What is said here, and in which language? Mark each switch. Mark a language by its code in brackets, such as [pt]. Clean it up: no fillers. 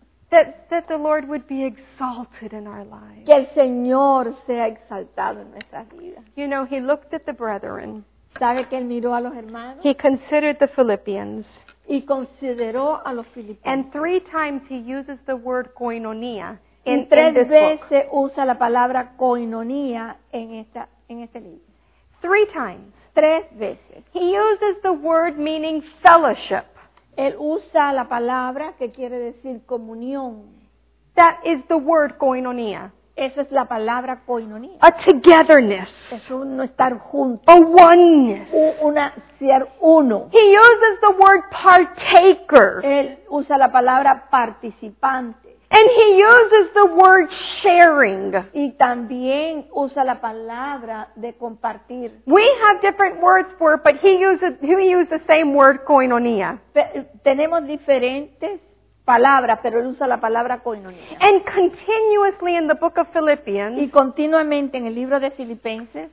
[en] That the Lord would be exalted in our lives. [es] Que el Señor sea exaltado en nuestras vidas. [en] You know, he looked at the brethren. [es] ¿Sabe que él miró a los hermanos? [en] He considered the Philippians. [es] Y consideró a los filipinos. [en] And three times he uses the word koinonia in this book. [es] Y tres veces usa la palabra koinonia en este libro. [en] Three times. [es] Tres veces. [en] He uses the word meaning fellowship. [es] Él usa la palabra que quiere decir comunión. [en] That is the word koinonia. [es] Esa es la palabra koinonia. [en] A togetherness. [es] Es un estar juntos. [en] A oneness. [es] Una ser uno. [en] He uses the word partaker. [es] Él usa la palabra participante. [en] And he uses the word sharing. [es] Y también usa la palabra de compartir. [en] We have different words for it, but he uses the same word koinonia. [es] Tenemos diferentes palabra, pero él usa la palabra koinonia. [en] And continuously in the book of Philippians, [es] y continuamente en el libro de Filipenses,